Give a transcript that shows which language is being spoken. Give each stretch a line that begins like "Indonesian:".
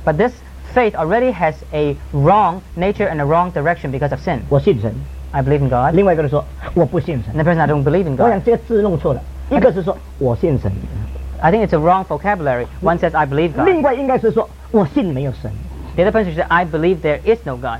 English: But this faith already has a wrong nature and a wrong direction because of sin.
Chinese: 我信神。
English: I believe in God.
Chinese: 另外一个人说，我不信神。
English: The person I don't believe in God.
Chinese: 我想这个字弄错了。一个是说我信神。
English: I think it's a wrong vocabulary. One says I believe God.
Chinese: 另外应该是说我信没有神。
English: The other person should say I believe there is no God.